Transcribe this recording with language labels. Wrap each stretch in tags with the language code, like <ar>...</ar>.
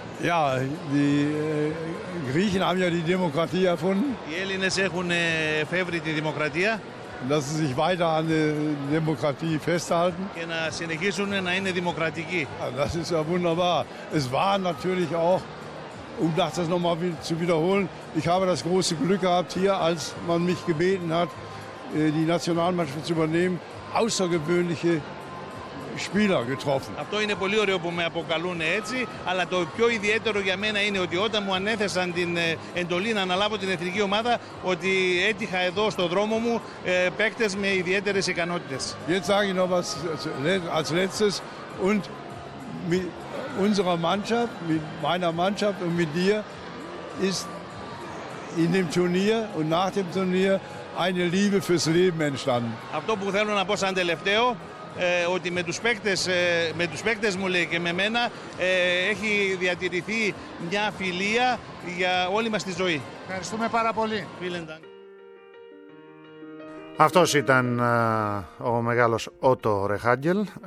<de>Ja, die Griechen haben ja die Demokratie erfunden.</de> <el>Οι Έλληνες έχουν φεύρει τη δημοκρατία.</el> <de>dass sie sich weiter an der Demokratie festhalten.</de> <el>Και να συνεχίσουν να είναι δημοκρατικοί.</el> <de>Das ist ja wunderbar. Es war natürlich auch, um das nochmal zu wiederholen, ich habe das große Glück gehabt hier, als man mich gebeten hat, die Nationalmannschaft zu übernehmen, außergewöhnliche Spieler getroffen.</de> <el>Αυτό είναι πολύ ωραίο που με αποκαλούν έτσι, αλλά το πιο ιδιαίτερο για μένα είναι ότι όταν μου ανέθεσαν την εντολή να αναλάβω την εθνική ομάδα, ότι έτυχα εδώ στο δρόμο μου παίκτες με ιδιαίτερες ικανότητες.</el> <de>Jetzt sage ich noch was als letztes und mit unserer Mannschaft, mit meiner Mannschaft und mit dir ist in dem Turnier und nach dem Turnier eine Liebe fürs Leben entstanden.</de> <el>Αυτό που θέλω να πω σαν τελευταίο, ότι με τους παίκτες, με τους παίκτες μου λέει και με μένα έχει διατηρηθεί μια φιλία για όλη μας τη ζωή. Ευχαριστούμε πάρα πολύ. Αυτός ήταν ο μεγάλος Ότο Ρεχάγκελ.</el>